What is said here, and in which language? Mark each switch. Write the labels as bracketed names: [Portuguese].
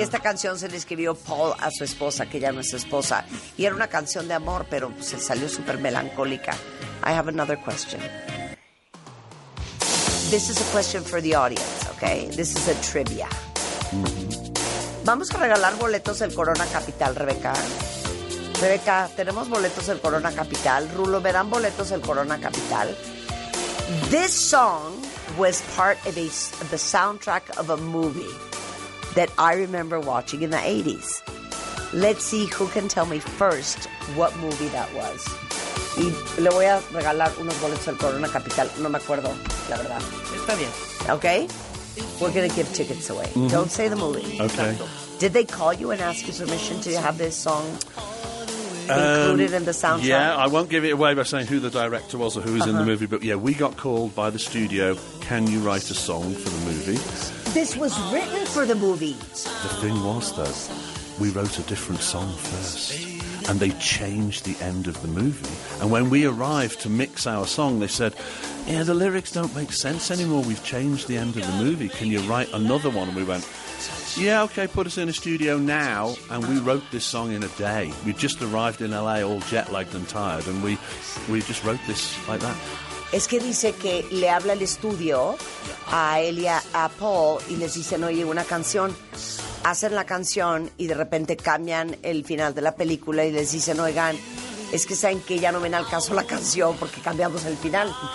[Spanish] Esta canción se le escribió Paul a su esposa, que ya no es esposa. Y era una canción de amor, pero se salió súper melancólica. [English] I have another question. This is a question for the audience, okay? This is a trivia. Mm-hmm. [Spanish] Vamos a regalar boletos del Corona Capital, Rebeca. Rebeca, tenemos boletos del Corona Capital. Rulo, ¿me dan boletos del Corona Capital? [English] This song was part of the soundtrack of a movie that I remember watching in the 80s. Let's see who can tell me first what movie that was. [Spanish] Y le voy a regalar unos boletos al Corona Capital. No me acuerdo, la verdad. Está bien. [English] Okay? We're going to give tickets away. Mm-hmm. Don't say the movie. Okay. Did they call you and ask you permission to have this song included in the soundtrack? Yeah, I won't give it away by saying who the director was or who was in the movie, but yeah, we got called by the studio, can you write a song for the movie? This was written for the movie. The thing was, though, we wrote a different song first, and they changed the end of the movie. And when we arrived to mix our song, they said, yeah, the lyrics don't make sense anymore, we've changed the end of the movie, can you write another one? And we went, yeah, okay, put us in a studio now, and we wrote this song in a day. We just arrived in L.A. all jet-lagged and tired, and we just wrote this like that. [Spanish] Es que dice que le habla el estudio a Elia, a Paul, y les dicen, oye, una canción. Hacen la canción, y de repente cambian el final de la película, y les dicen, oigan, es que saben que ya no ven al caso la canción porque cambiamos el final.